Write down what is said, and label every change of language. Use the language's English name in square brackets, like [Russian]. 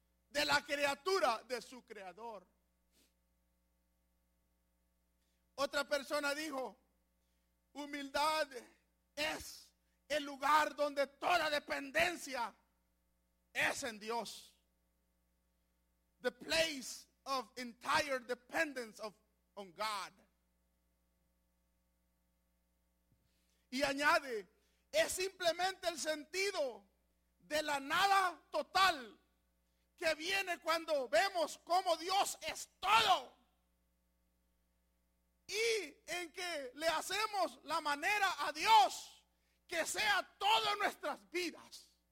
[Spanish] De la criatura, de su creador. Otra persona dijo, humildad es el lugar donde toda dependencia es en Dios. [English] The place of entire dependence of on God. [Spanish] Y añade, es simplemente el sentido de la nada total que viene cuando vemos cómo Dios es todo. Y en que le hacemos la manera a Dios que sea todo en nuestras vidas.